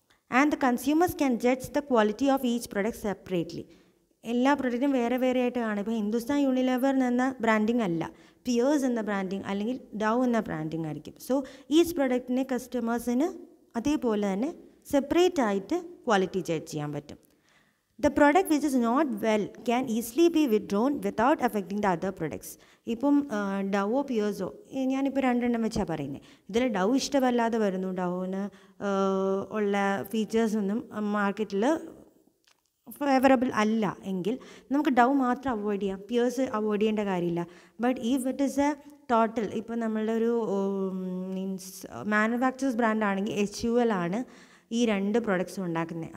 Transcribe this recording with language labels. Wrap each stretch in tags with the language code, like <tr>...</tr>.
<en>And the consumers can judge the quality of each product separately.</en> <ml>എല്ലാ പ്രൊഡക്റ്റും വേറെ വേറെ ആയിട്ട് കാണും. ഇപ്പോൾ ഹിന്ദുസ്ഥാൻ യൂണിലിവർ എന്ന ബ്രാൻഡിങ് അല്ല, പിയേഴ്സ് എന്ന ബ്രാൻഡിങ് അല്ലെങ്കിൽ ഡൗ എന്ന ബ്രാൻഡിങ് ആയിരിക്കും. സോ ഈച്ച് പ്രൊഡക്റ്റിനെ കസ്റ്റമേഴ്സിന് അതേപോലെ തന്നെ സെപ്പറേറ്റ് ആയിട്ട് ക്വാളിറ്റി ജഡ്ജ് ചെയ്യാൻ പറ്റും.</ml> <en>The product which is not well can easily be withdrawn without affecting the other products.</en> <ml>ഇപ്പം ഡവ് ഓ പിയേഴ്സോ, ഞാനിപ്പോൾ രണ്ടെണ്ണം വെച്ചാൽ പറയുന്നത്, ഇതിൽ ഡവ് ഇഷ്ടമല്ലാതെ വരുന്നു, ഡവന് ഉള്ള ഫീച്ചേഴ്സൊന്നും മാർക്കറ്റിൽ ഫേവറബിൾ അല്ല എങ്കിൽ നമുക്ക് ഡവ് മാത്രം അവോയ്ഡ് ചെയ്യാം, പിയേഴ്സ് അവോയ്ഡ് ചെയ്യേണ്ട കാര്യമില്ല.</ml> <en>but ഈ വിറ്റ് is a total,</en> <ml>ഇപ്പം നമ്മളുടെ ഒരു മീൻസ് മാനുഫാക്ചേഴ്സ് ബ്രാൻഡാണെങ്കിൽ HUL ആണ് ഈ രണ്ട് പ്രൊഡക്ട്സും ഉണ്ടാക്കുന്നത്.</ml>